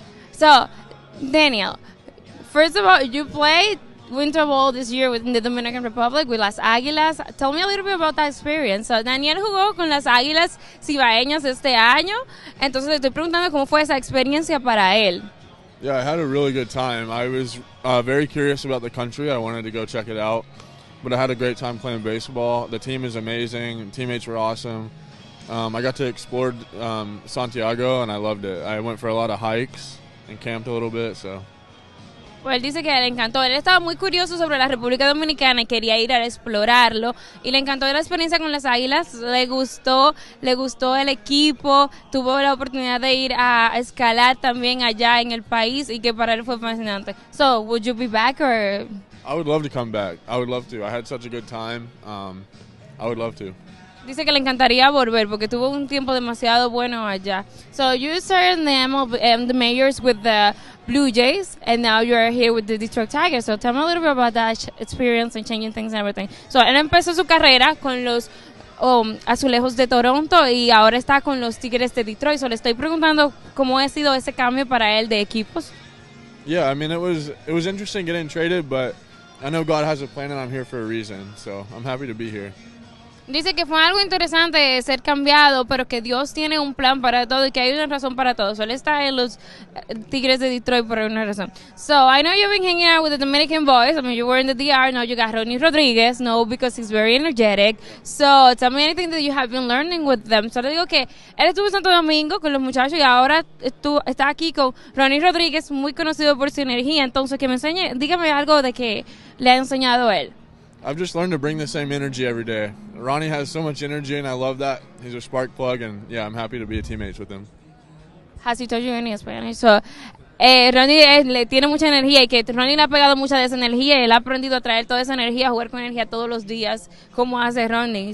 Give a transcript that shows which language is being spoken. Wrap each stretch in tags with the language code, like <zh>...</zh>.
<en>So, Daniel, first of all, you played winter ball this year within the Dominican Republic with Las Aguilas. Tell me a little bit about that experience.</en> <es>So, Daniel jugó con Las Aguilas Cibaeñas este año. Entonces, le estoy preguntando cómo fue esa experiencia para él.</es> <en>Yeah, I had a really good time. I was very curious about the country. I wanted to go check it out. But I had a great time playing baseball. The team is amazing. Teammates were awesome. I got to explore Santiago, and I loved it. I went for a lot of hikes and camped a little bit, so.</en> <es>Pues él dice que le encantó. Él estaba muy curioso sobre la República Dominicana y quería ir a explorarlo. Y le encantó la experiencia con las Águilas. Le gustó el equipo. Tuvo la oportunidad de ir a escalar también allá en el país y que para él fue fascinante.</es> <en>So, would you be back or? I would love to come back. I would love to. I had such a good time. I would love to.</en> <es>Dice que le encantaría volver porque tuvo un tiempo demasiado bueno allá.</es> <en>So you started in the MLB, the majors with the Blue Jays, and now you are here with the Detroit Tigers. So tell me a little bit about that experience and changing things and everything.</en> <es>So él empezó su carrera con los Azulejos de Toronto y ahora está con los Tigres de Detroit. So le estoy preguntando cómo ha sido ese cambio para él de equipos.</es> <en>Yeah, I mean, it was interesting getting traded, but I know God has a plan and I'm here for a reason. So I'm happy to be here.</en> <es>Dice que fue algo interesante ser cambiado, pero que Dios tiene un plan para todo y que hay una razón para todo. Solo está en los Tigres de Detroit por una razón.</es> <en>So, I know you've been hanging out with the Dominican boys. I mean, you were in the DR. Now you got Ronnie Rodriguez. No, because he's very energetic. So, tell me anything that you have been learning with them.</en> <es>Solo digo que él estuvo en Santo Domingo con los muchachos y ahora está aquí con Ronnie Rodriguez, muy conocido por su energía. Entonces, que me enseñe, dígame algo de que le ha enseñado él.</es> <en>I've just learned to bring the same energy every day. Ronnie has so much energy, and I love that. He's a spark plug, and yeah, I'm happy to be a teammate with him. Has he told you any Spanish?</en> <es>So, Ronnie le tiene mucha energía, y que Ronnie le ha pegado mucha de esa energía, y él ha aprendido a traer toda esa energía, a jugar con energía todos los días, como hace Ronnie.</es>